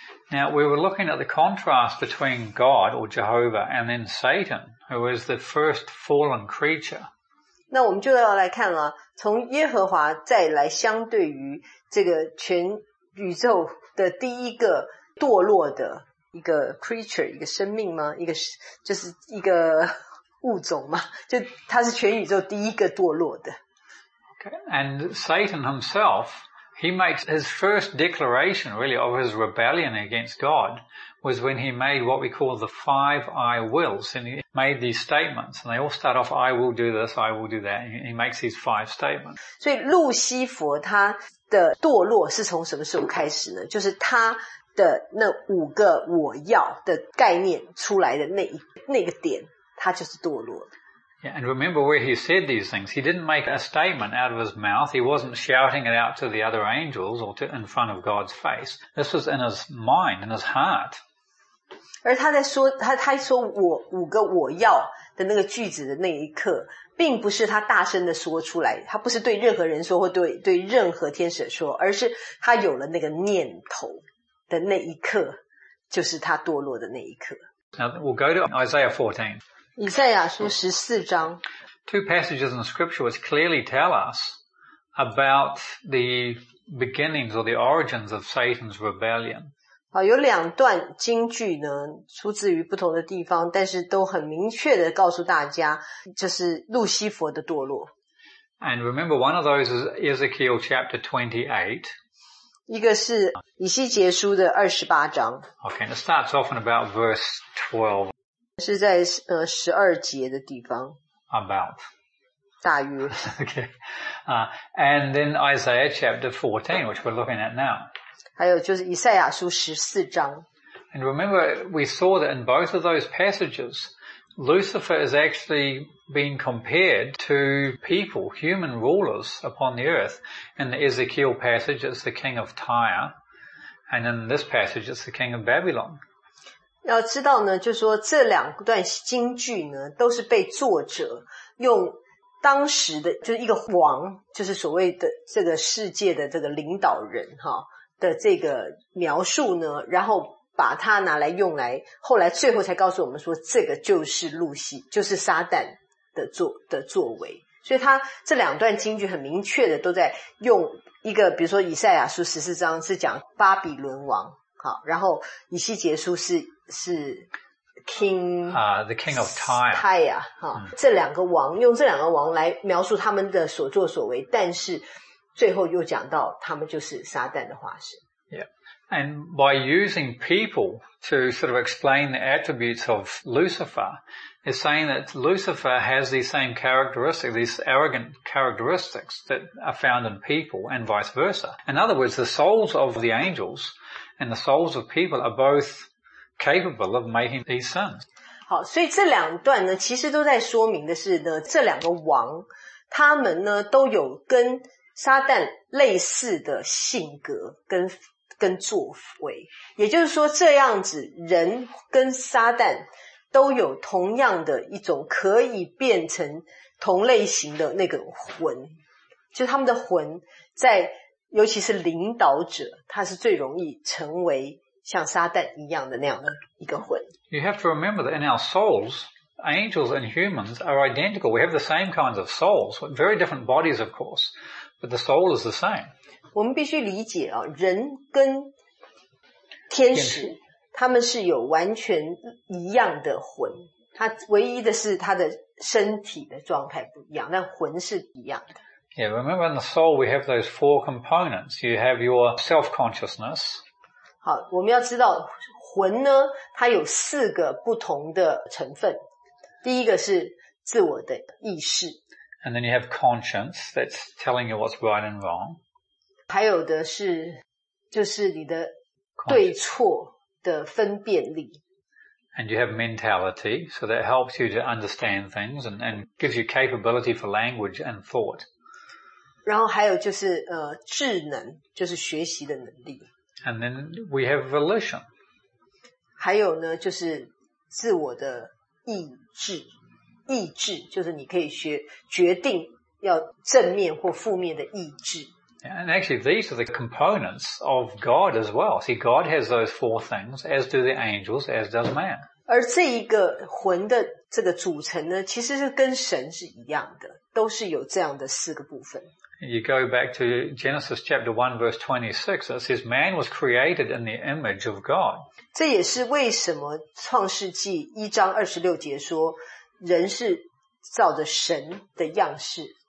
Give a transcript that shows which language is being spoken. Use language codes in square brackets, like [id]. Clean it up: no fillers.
[en] Now we were looking at the contrast between God or Jehovah and then Satan, who is the first fallen creature. [zh] 那我们就要来看了，从耶和华再来相对于这个全宇宙的第一个堕落的一个 creature, 一个生命吗？一个就是一个物种吗？就他是全宇宙第一个堕落的。 [en] And Satan himself He makes his first declaration, really, of his rebellion against God was when he made what we call the five I wills. And he made these statements. And they all start off, I will do this, I will do that. And he makes these five statements. [zh] 所以路西佛他的堕落是从什么时候开始呢？就是他的那五个我要的概念出来的那个点，他就是堕落了。 [en] Yeah, and remember where he said these things. He didn't make a statement out of his mouth. He wasn't shouting it out to the other angels or to in front of God's face. This was in his mind, in his heart. [zh] 而他在说他说我五个我要的那个句子的那一刻，并不是他大声的说出来，他不是对任何人说或对任何天使说，而是他有了那个念头的那一刻，就是他堕落的那一刻。 [en] Now we'll go to Isaiah 14. [zh] 以赛亚书十四章 [en] Two passages in scripture which clearly tell us about the beginnings or the origins of Satan's rebellion. [zh] 好，有两段经句呢，出自于不同的地方，但是都很明确的告诉大家，就是路西佛的堕落。 [en] And remember, one of those is Ezekiel chapter 28. [zh] 一个是以西结书的二十八章。 [en] Okay, and it starts off in about verse 12. [zh] 是在十二节的地方 [en] about [zh] 大约 [en] okay and then Isaiah chapter 14 which we're looking at now [zh] 还有就是以赛亚书十四章 [en] and remember we saw that in both of those passages Lucifer is actually being compared to people human rulers upon the earth in the Ezekiel passage it's the king of Tyre and in this passage it's the king of Babylon [zh] 要知道呢，就说这两段经句呢，都是被作者用当时的，就是一个王，就是所谓的这个世界的这个领导人哈的这个描述呢，然后把它拿来用来，后来最后才告诉我们说，这个就是路西，就是撒旦的作为。所以他这两段经句很明确的都在用一个，比如说以赛亚书十四章是讲巴比伦王，好，然后以西结书是。是 King, [en] the King of Tyre. [zh] Tyre, 这两个王用这两个王来描述他们的所作所为，但是最后又讲到他们就是撒旦的化身。 [en] Yeah, and by using people to sort of explain the attributes of Lucifer, is saying that Lucifer has these same characteristics, these arrogant characteristics that are found in people, and vice versa. In other words, the souls of the angels and the souls of people are both. Capable of making these sins. [zh] 好，所以这两段呢，其实都在说明的是呢，这两个王，他们呢都有跟撒旦类似的性格跟作为。也就是说，这样子人跟撒旦都有同样的一种可以变成同类型的那个魂，就是他们的魂在，尤其是领导者，他是最容易成为。像撒旦一样的那样的一个魂。 [en] You have to remember that in our souls, angels and humans are identical. We have the same kinds of souls, very different bodies, of course, but the soul is the same. [zh] 我们必须理解啊，人跟天使，他们是有完全一样的魂。他唯一的是他的身体的状态不一样，但魂是一样的。 [en] Yeah, remember in the soul we have those four components. You have your self-consciousness. [zh] 好，我们要知道魂呢，它有四个不同的成分。第一个是自我的意识。 [en] And then you have conscience, that's telling you what's right and wrong. [zh] 还有的是，就是你的对错的分辨力。 [en] And you have mentality, so that helps you to understand things and gives you capability for language and thought. [zh] 然后还有就是智能，就是学习的能力。 [en] And then we have volition. [zh] 还有呢，就是自我的意志，意志就是你可以决定要正面或负面的意志。 [en] And actually, these are the components of God as well. See, God has those four things, as do the angels, as does man. [zh] 而这一个魂的这个组成呢，其实是跟神是一样的，都是有这样的四个部分。 [en] You go back to Genesis chapter 1 verse 26, it says man was created in the image of God. [zh] 这也是为什么创世纪一章二十六节说人是照着神的样式。